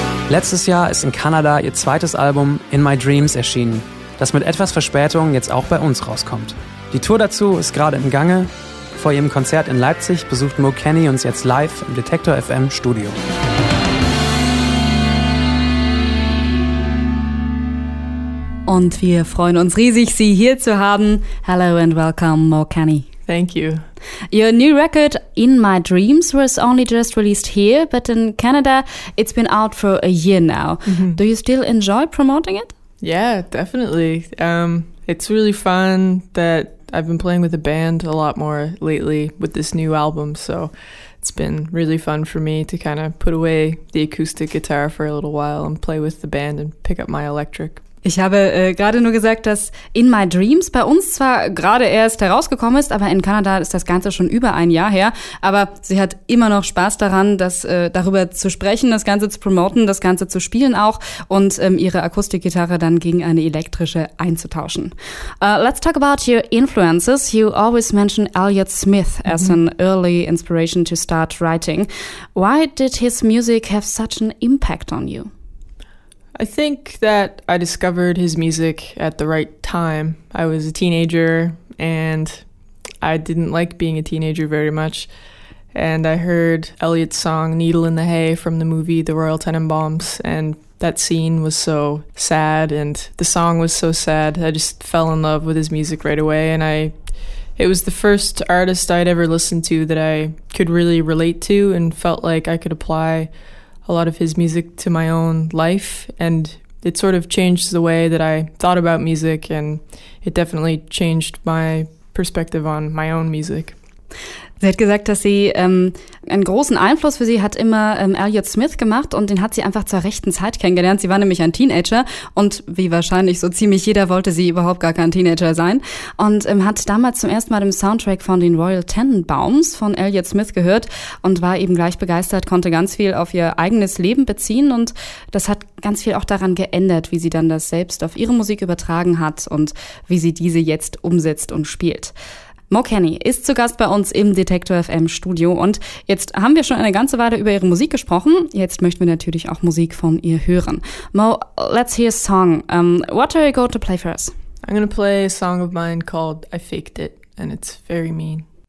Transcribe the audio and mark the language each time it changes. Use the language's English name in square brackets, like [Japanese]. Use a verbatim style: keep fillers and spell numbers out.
[German] Letztes Jahr ist in Kanada ihr zweites Album In My Dreams erschienen, das mit etwas Verspätung jetzt auch bei uns rauskommt. Die Tour dazu ist gerade im Gange. Vor ihrem Konzert in Leipzig besucht Mo Kenny uns jetzt live im Detektor F M Studio. Und wir freuen uns riesig, Sie hier zu haben. [English] Hello and welcome, Mo Kenny. Thank you. Your new record, In My Dreams, was only just released here, but in Canada it's been out for a year now. Mm-hmm. Do you still enjoy promoting it? Yeah, definitely. Um, it's really fun that I've been playing with the band a lot more lately with this new album, so it's been really fun for me to kind of put away the acoustic guitar for a little while and play with the band and pick up my electric. [German] Ich habe äh, gerade nur gesagt, dass In My Dreams bei uns zwar gerade erst herausgekommen ist, aber in Kanada ist das Ganze schon über ein Jahr her. Aber sie hat immer noch Spaß daran, das, äh, darüber zu sprechen, das Ganze zu promoten, das Ganze zu spielen auch und ähm, ihre Akustikgitarre dann gegen eine elektrische einzutauschen. [English] Uh, let's talk about your influences. You always mention Elliott Smith as an early inspiration to start writing. Why did his music have such an impact on you? I think that I discovered his music at the right time. I was a teenager and I didn't like being a teenager very much. And I heard Elliott's song Needle in the Hay from the movie The Royal Tenenbaums, and that scene was so sad and the song was so sad. I just fell in love with his music right away, and I it was the first artist I'd ever listened to that I could really relate to and felt like I could apply a lot of his music to my own life, and it sort of changed the way that I thought about music, and it definitely changed my perspective on my own music. [German] Sie hat gesagt, dass sie ähm, einen großen Einfluss für sie hat immer ähm, Elliott Smith gemacht, und den hat sie einfach zur rechten Zeit kennengelernt. Sie war nämlich ein Teenager und wie wahrscheinlich so ziemlich jeder wollte sie überhaupt gar kein Teenager sein, und ähm, hat damals zum ersten Mal den Soundtrack von den Royal Tenenbaums von Elliott Smith gehört und war eben gleich begeistert, konnte ganz viel auf ihr eigenes Leben beziehen, und das hat ganz viel auch daran geändert, wie sie dann das selbst auf ihre Musik übertragen hat und wie sie diese jetzt umsetzt und spielt. Mo Kenny ist zu Gast bei uns im Detektor F M Studio, und jetzt haben wir schon eine ganze Weile über ihre Musik gesprochen. Jetzt möchten wir natürlich auch Musik von ihr hören. [English] Mo, let's hear a song. Um, what are you going to play for us? I'm going to play a song of mine called I Faked It, and it's very mean.